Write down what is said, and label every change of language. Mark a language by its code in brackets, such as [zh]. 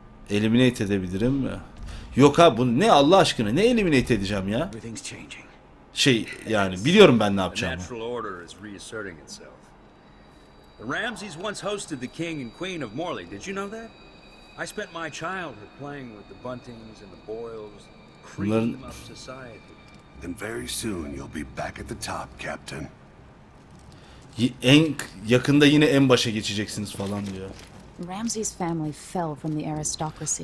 [tr] Eliminate edebilirim mi? Yok ha, bu ne Allah aşkına, ne eliminate edeceğim ya? Şey yani, biliyorum ben ne yapacağımı. [en] The Ramses once hosted the king and queen of Morley. Did you know that? I spent my childhood playing with the Buntings and the Boyles, cream of society. Then very soon you'll be back at the top, Captain. [tr] En yakında yine en başa geçeceksiniz falan diyor. [en] Ramses family fell from the aristocracy.